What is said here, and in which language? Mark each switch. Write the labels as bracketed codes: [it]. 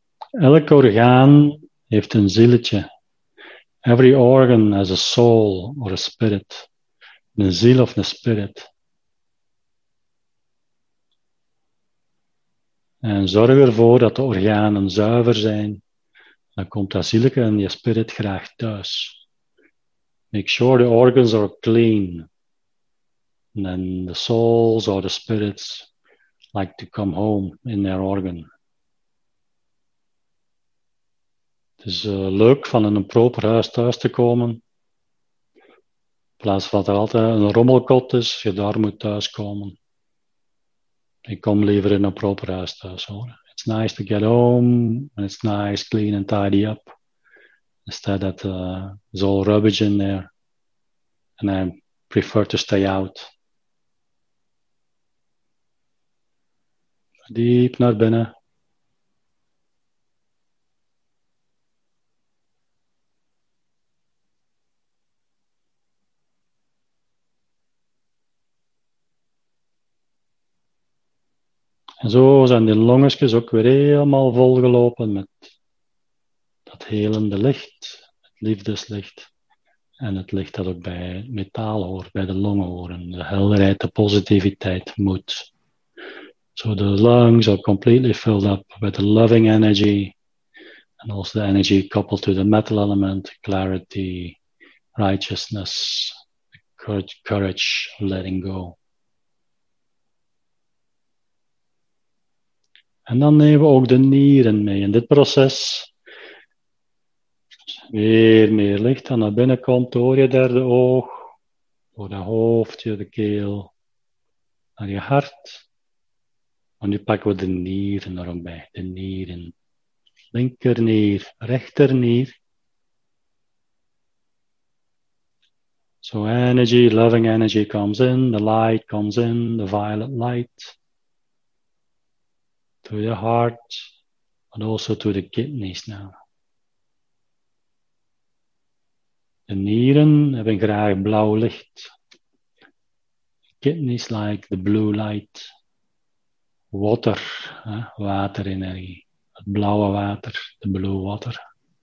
[nl] Elk orgaan heeft een zieletje. [en] Every organ has a soul or a spirit. [nl] Een ziel of een spirit. En zorg ervoor dat de organen zuiver zijn. Dan komt dat zieletje en je spirit graag thuis. [en] Make sure the organs are clean. And then the souls or the spirits like to come home in their organ. [nl] Het is leuk van in een proper huis thuis te komen. In plaats van dat er altijd een rommelkot is, je daar moet thuis komen. Ik kom liever in een proper huis thuis hoor. [en] It's nice to get home, and it's nice, clean and tidy up. Instead that there's all rubbish in there. And I prefer to stay out. [nl] Diep naar binnen. En zo zijn die longetjes ook weer helemaal volgelopen met dat helende licht, het liefdeslicht en het licht dat ook bij metaal hoort, bij de longen horen, de helderheid, de positiviteit, moed. [en] So the lungs are completely filled up with the loving energy and also the energy coupled to the metal element, clarity, righteousness, courage, letting go. [nl] En dan nemen we ook de nieren mee in dit proces. Weer meer licht dan naar binnen komt door je derde oog, door dat hoofdje, de keel, naar je hart. En nu pakken we de nieren erom bij. De nieren. Linkernier, rechternier. [en] So energy, loving energy comes in. The light comes in. The violet light. To your heart, but also to the kidneys now. [nl] De nieren hebben graag blauw licht. [en] Kidneys like the blue light. [nl] Water, hè? Waterenergie. Het blauwe water, [en] the blue water.